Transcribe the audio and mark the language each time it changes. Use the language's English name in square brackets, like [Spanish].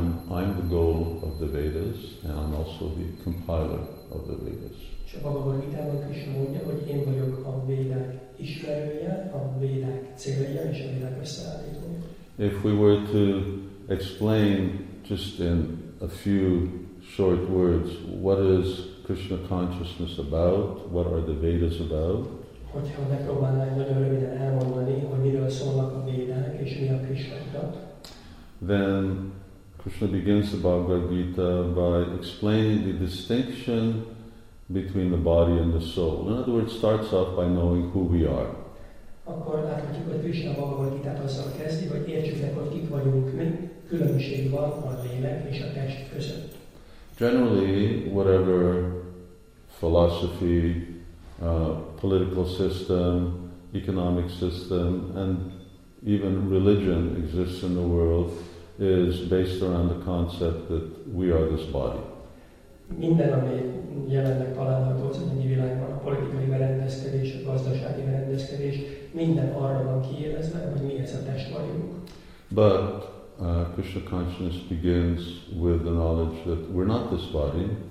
[English] I'm the goal of the Vedas, and I'm also the compiler of the Vedas. [Hungarian] A Bhagavad Gita Krishna mondja, hogy én vagyok a Védák ismerője, a Védák célja és a Védák összeállítója. [English] If we were to explain just in a few short words, what is Krishna consciousness about? What are the Vedas about? [Hungarian] Hogyha megpróbálnánk nagyon röviden elmondani, hogy miről szólnak a Védák és mi a Krisnaitat. [English] Then Krishna begins the Bhagavad Gita by explaining the distinction between the body and the soul. In other words, starts off by knowing who we are. [Hungarian] Akkor láthatjuk, hogy Krishna Bhagavad Gita-t azzal kezdi, hogy értsük meg, hogy kik vagyunk mi, különbség van a lélek és a test között. [English] Generally, whatever philosophy, political system, economic system, and even religion exists in the world is based around the concept that we are this body. [Hungarian] Minden, ami jelenleg található az anyagi világban, a politikai berendezkedés, a gazdasági berendezkedés, minden arra van kiélezve, hogy mi ez a test vagyunk. [English] But Krishna consciousness begins with the knowledge that we're not this body.